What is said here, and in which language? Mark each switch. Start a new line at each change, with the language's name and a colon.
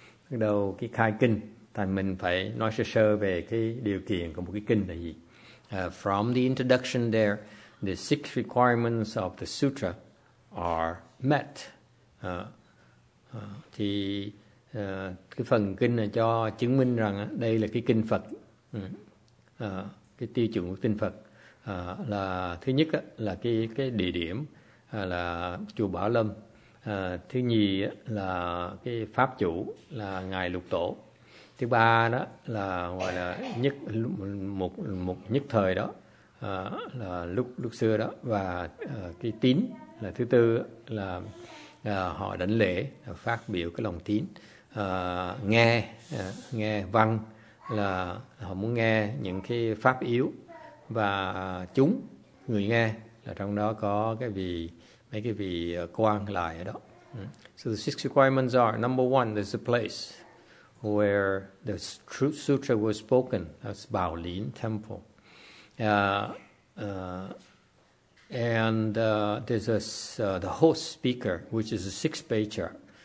Vietnamese: Bắt đầu cái khai kinh, thì mình phải nói sơ sơ về cái điều kiện của một cái kinh là gì.
English: From the introduction there, the six requirements of the sutra are met.
Vietnamese: Cái phần kinh này cho chứng minh rằng đây là cái kinh Phật. Cái tiêu chuẩn của kinh Phật là thứ nhất là cái địa điểm. Là chùa Bảo Lâm. Thứ nhì là cái pháp chủ là ngài Lục Tổ. Thứ ba đó là gọi là nhất một nhất thời đó là lúc xưa đó và cái tín là thứ tư là họ đảnh lễ phát biểu cái lòng tín nghe văn là họ muốn nghe những cái pháp yếu và chúng người nghe là trong đó có cái vị mấy cái vị quan lại ở đó.
English: So the six requirements are, number one, there's a place where the true sutra was spoken, that's Baolin Temple. There's the host speaker, which is a six-page chart.